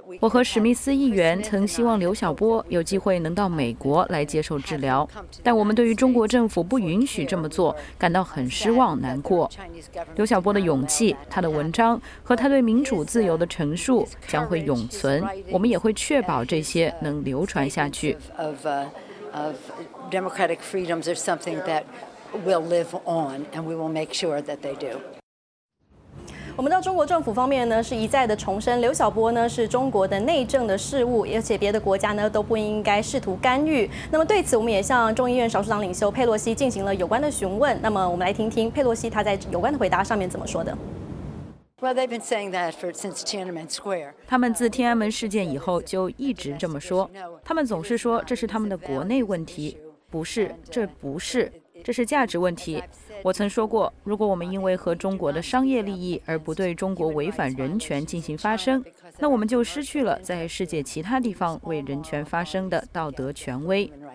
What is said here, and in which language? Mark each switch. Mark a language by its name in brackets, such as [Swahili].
[Chinese] 我和史密斯议员曾希望刘晓波有机会能到美国来接受治疗，但我们对于中国政府不允许这么做感到很失望、难过。刘晓波的勇气、他的文章和他对民主自由的陈述将会永存，我们也会确保这些能流传下去。 [English] Will live on, and we will make sure that they do. [Chinese] 我们知道中国政府方面呢是一再的重申，刘晓波呢是中国的内政的事务，而且别的国家呢都不应该试图干预。那么对此，我们也向众议院少数党领袖佩洛西进行了有关的询问。那么我们来听听佩洛西他在有关的回答上面怎么说的。 [English] Well, they've been saying that for since Tiananmen Square. [Chinese] 他们自天安门事件以后就一直这么说。他们总是说这是他们的国内问题，不是，这不是。这是价值问题。我曾说过，如果我们因为和中国的商业利益而不对中国违反人权进行发声，那我们就失去了在世界其他地方为人权发声的道德权威。